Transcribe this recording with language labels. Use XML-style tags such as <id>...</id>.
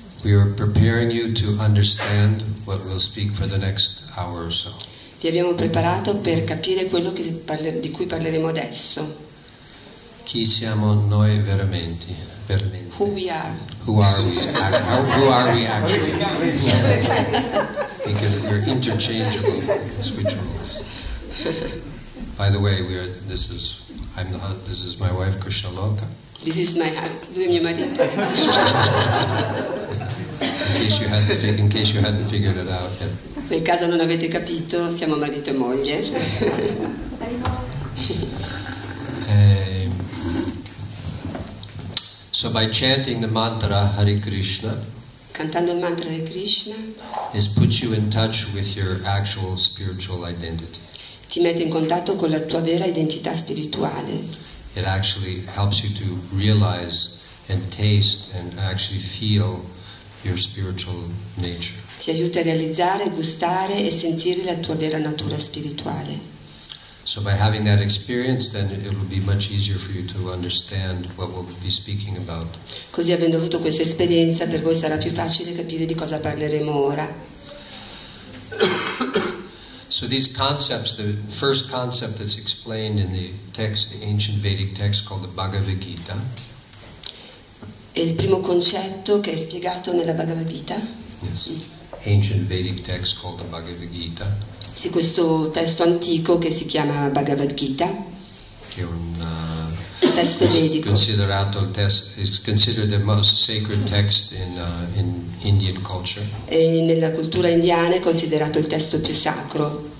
<en>We were preparing you to understand what we'll speak for the next hour or so.</en> <it>Vi abbiamo preparato per capire quello di cui parleremo adesso. Chi siamo noi veramente? Veramente.</it> <en>Who we are. Who are we? Who are we actually? Because we're interchangeable. Switch roles. By the way, this is my wife Krishnaloka. This is my husband,</en> <it>mio marito.</it> <en>In case you hadn't figured it out yet.</en> <it>Nel caso non avete capito, siamo marito e moglie.</it> <en>So by chanting the mantra Hare Krishna,</en> <it>cantando il mantra Hare Krishna,</it> <en>it puts you in touch with your actual spiritual identity.</en> <it>Ti mette in contatto con la tua vera identità spirituale.</it> <en>It actually helps you to realize and taste and actually feel your spiritual nature.</en> <it>Ti aiuta a realizzare, gustare e sentire la tua vera natura spirituale.</it> <en>So by having that experience, then it will be much easier for you to understand what we'll be speaking about.</en> <it>Così avendo avuto questa esperienza, per voi sarà più facile capire di cosa parleremo ora.</it> <en>So these concepts, the first concept that's explained in the text, the ancient Vedic text called the Bhagavad Gita.</en> <it>È il primo concetto che è spiegato nella Bhagavad Gita.</it> <en>Yes. Ancient Vedic text called the Bhagavad Gita.</en> <it>Sì, questo testo antico che si chiama Bhagavad Gita. Che è un testo vedico. Considerato</it> <en>is considered the most sacred text in Indian culture.</en> <it>E nella cultura indiana è considerato il testo più sacro.</it>